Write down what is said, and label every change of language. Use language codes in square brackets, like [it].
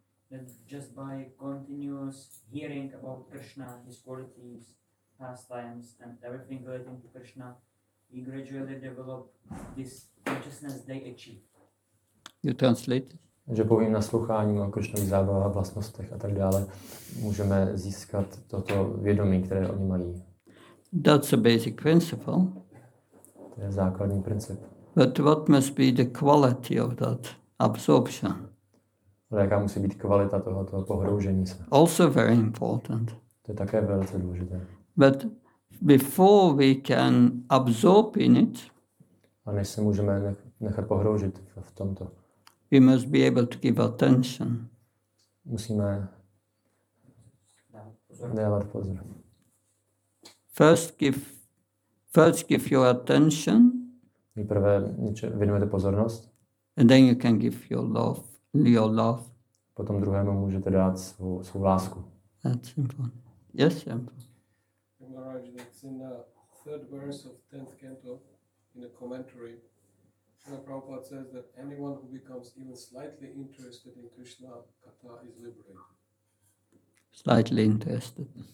[en] That just by continuous hearing about Krishna, his qualities, pastimes and everything relating to Krishna, we gradually develop this consciousness they achieve. You translate it? [cs] že pouhým nasloucháním o Krišnových zábavách, vlastnostech a tak dále můžeme získat toto vědomí, které oni mají. [en] That's a basic principle. [cs] To je základní princip. [en] But what must be the quality of that absorption? [cs] Ale jaká musí být kvalita tohoto pohroužení se? [en] Also very important. [cs] To je také velice důležité. [en] But before we can absorb in it, [cs] a než se můžeme nechat pohroužit v tomto, [en] we must be able to give attention. [cs] Musíme dávat pozor. [en] First give your attention. [cs] Nejprve věnujete pozornost. [en] And then you can give your love. [cs] Potom druhému můžete dát svou lásku. [en] That's important. Yes, simple. Maharaj, that's in the third verse of 10th canto in the commentary. Srila Prabhupada says that anyone who becomes even slightly interested in Krishna Katha is liberated. Slightly interested.